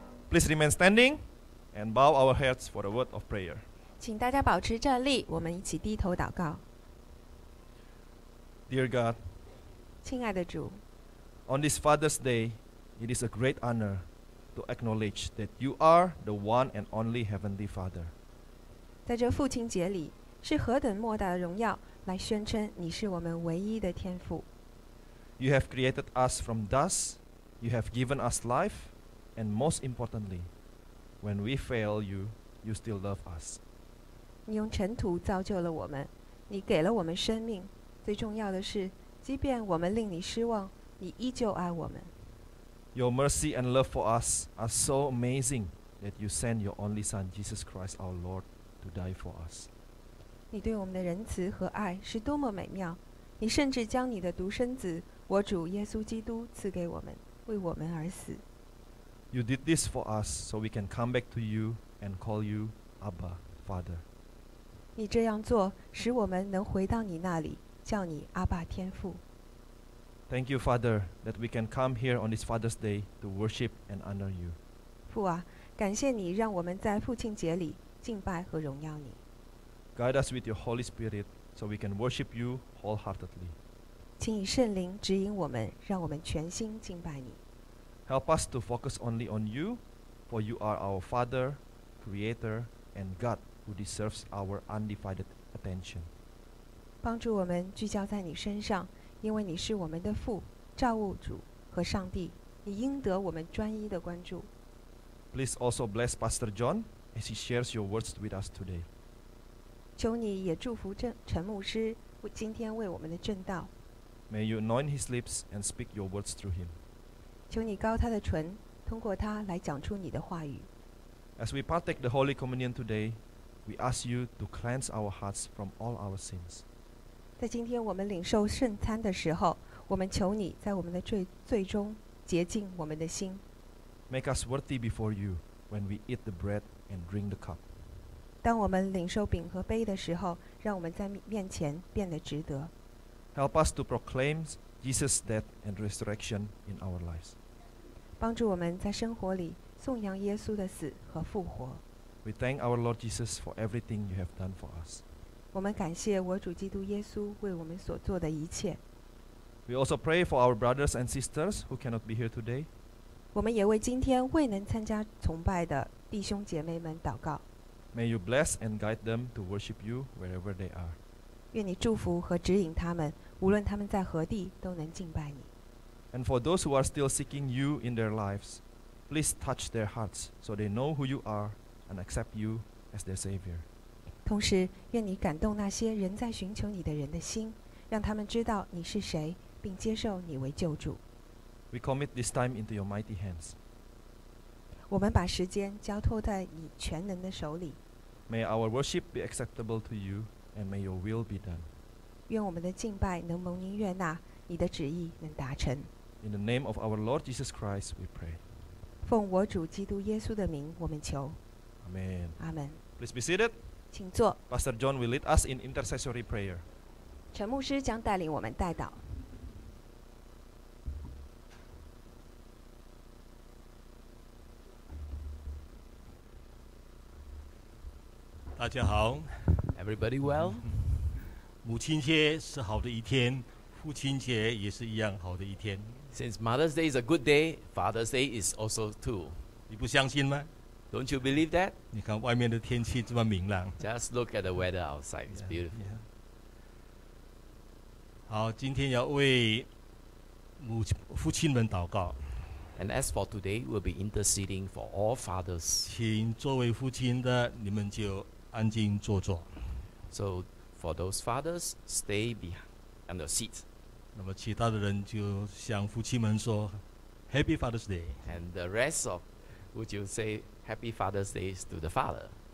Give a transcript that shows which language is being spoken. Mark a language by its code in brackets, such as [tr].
[en] Please remain standing and bow our heads for the word of prayer. [zh] 请大家保持站立，我们一起低头祷告。 [en] Dear God, [zh] 亲爱的主， [en] On this Father's Day, it is a great honor to acknowledge that you are the one and only Heavenly Father. [zh] 在这父亲节里，是何等莫大的荣耀，来宣称你是我们唯一的天父。 [en] You have created us from dust, you have given us life, and most importantly, when we fail you, you still love us. [zh] 你用尘土造就了我们，你给了我们生命，最重要的是，即便我们令你失望，你依旧爱我们。 [en] Your mercy and love for us are so amazing that you sent your only Son, Jesus Christ, our Lord, to die for us. [zh] 你对我们的仁慈和爱是多么美妙，你甚至将你的独生子，我主耶稣基督赐给我们，为我们而死。 [en] You did this for us so we can come back to you and call you Abba, Father. [zh] 你这样做使我们能回到你那里，叫你阿爸天父。 [en] Thank you, Father, that we can come here on this Father's Day to worship and honor you. [zh] 父啊，感谢你让我们在父亲节里敬拜和荣耀你。 [en] Guide us with your Holy Spirit so we can worship you wholeheartedly. [zh] 请以圣灵指引我们，让我们全心敬拜你。 [en] Help us to focus only on you, for you are our Father, Creator, and God who deserves our undivided attention. [zh] 帮助我们聚焦在你身上。因为你是我们的父、造物主和上帝，你应得我们专一的关注。 [en] Please also bless Pastor John as he shares your words with us today. [zh] 求你也祝福陈牧师今天为我们的证道。 [en] May you anoint his lips and speak your words through him. [zh] 求你膏他的唇，通过他来讲出你的话语。 [en] As we partake the Holy Communion today, we ask you to cleanse our hearts from all our sins. [zh] 在今天我们领受圣餐的时候，我们求你在我们的罪中洁净我们的心。 [en] Make us worthy before you when we eat the bread and drink the cup. [zh] 当我们领受饼和杯的时候，让我们在面前变得值得。 [en] Help us to proclaim Jesus' death and resurrection in our lives. [zh] 帮助我们在生活里颂扬耶稣的死和复活。 [en] We thank our Lord Jesus for everything you have done for us. [zh] 我们感谢我主基督耶稣为我们所做的一切。 [en] We also pray for our brothers and sisters who cannot be here today. [zh] 我们也为今天未能参加崇拜的弟兄姐妹们祷告。 [en] May you bless and guide them to worship you wherever they are. [zh] 愿你祝福和指引他们，无论他们在何地都能敬拜你。 [en] And for those who are still seeking you in their lives, please touch their hearts so they know who you are and accept you as their savior. [zh] 同时愿你感动那些仍在寻求你的人的心，让他们知道你是谁，并接受你为救主。 [en] We commit this time into your mighty hands. [zh] 我们把时间交托在你全能的手里。 [en] May our worship be acceptable to you, and may your will be done. [zh] 愿我们的敬拜能蒙您悦纳，你的旨意能达成。 [en] In the name of our Lord Jesus Christ, we pray. [zh] 奉我主基督耶稣的名我们求。 [en] Amen. Amen. Please be seated. [zh] 请坐。 [en] Pastor John will lead us in intercessory prayer. [zh] 陈牧师将带领我们代祷。大家好。 [en] Everybody well? [zh] 母亲节是好的一天，父亲节也是一样好的一天。 [en] Since Mother's Day is a good day, Father's Day is also too. [zh] 你不相信吗？ [en] Don't you believe that? [zh] 你看外面的天气这么明朗。 [en] Just look at the weather outside. It's beautiful. Yeah, yeah. [zh] 好，今天要为父亲们祷告。 [en] And as for today, we'll be interceding for all fathers. [zh] 请作为父亲的，你们就安静坐坐。 [en] So for those fathers, stay behind on the seat. [zh] 那么其他的人就向父亲们说 ， [en] Happy Father's Day. And the rest of Would you say Happy Father's Day to the father?